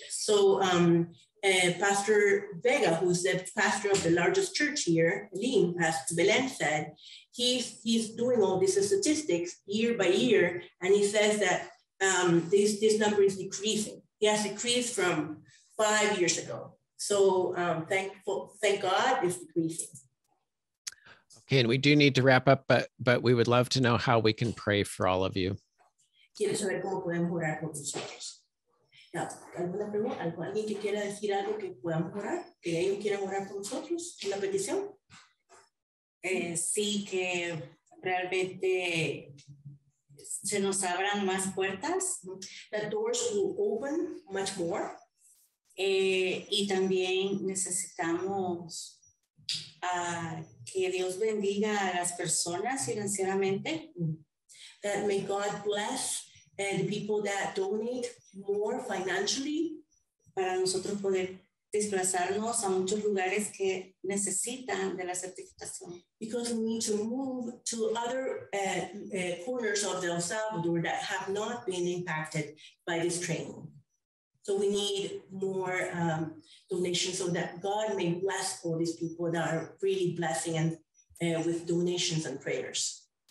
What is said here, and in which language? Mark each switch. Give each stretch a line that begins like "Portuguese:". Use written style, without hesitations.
English: So Pastor Vega, who's the pastor of the largest church here, Lynn, Pastor Belen, said he's doing all these statistics year by year, and he says that this number is decreasing. He has decreased from 5 years ago. So thank God it's decreasing. Okay, and we do need to wrap up, but we would love to know how we can pray for all of you.
Spanish: Quiero saber cómo pueden orar por nosotros. ¿Alguna pregunta? ¿Alguien que quiera decir algo que puedan orar? ¿Que ellos quieran orar por nosotros? ¿La petición? Sí, que realmente se nos abran más puertas.
English: That doors will open much more.
Spanish: Y también necesitamos... que Dios bendiga a las personas financieramente.
English: That may God bless the people that donate more financially.
Spanish: Para nosotros poder desplazarnos a muchos lugares que necesitan de la certificación.
English: Because we need to move to other corners of El Salvador that have not been impacted by this training. So we need more donations so that God may bless all these people that are really blessing and with donations and prayers.